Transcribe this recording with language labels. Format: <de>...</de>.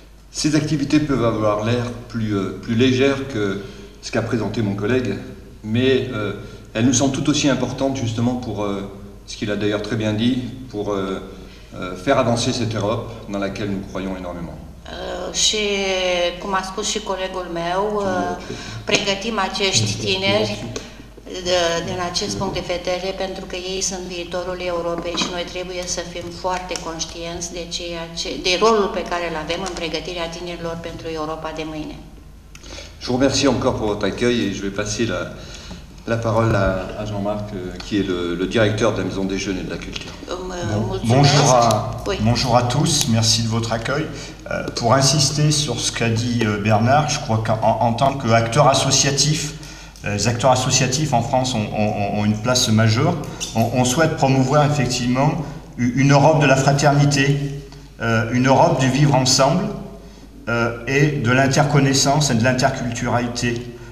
<fr>Ces activités peuvent avoir l'air plus légère que ce qu'a présenté mon collègue. Mais elles nous semblent tout aussi importantes justement pour, ce qu'il a d'ailleurs très bien dit, pour faire avancer cette Europe dans laquelle nous croyons énormément.</fr> <ro>Și cum a spus și colegul meu, pregătim acești tineri din acest punct de vedere pentru că ei sunt viitorul Europei și noi trebuie să fim foarte conștienți de ceea ce, de rolul pe care îl avem în pregătirea tinerilor pentru Europa de mâine.</ro> <fr>Je vous remercie encore pour votre accueil et je vais passer la parole à Jean-Marc, qui est le directeur de la Maison des Jeunes et de la Culture. Bonjour à tous, merci de votre accueil. Pour insister sur ce qu'a dit Bernard, je crois qu'en tant qu'acteur associatif, les acteurs associatifs en France ont une place majeure, on souhaite promouvoir effectivement une Europe de la fraternité, une Europe du vivre ensemble, et de l'interconnaissance et de l'interculturalité.</fr>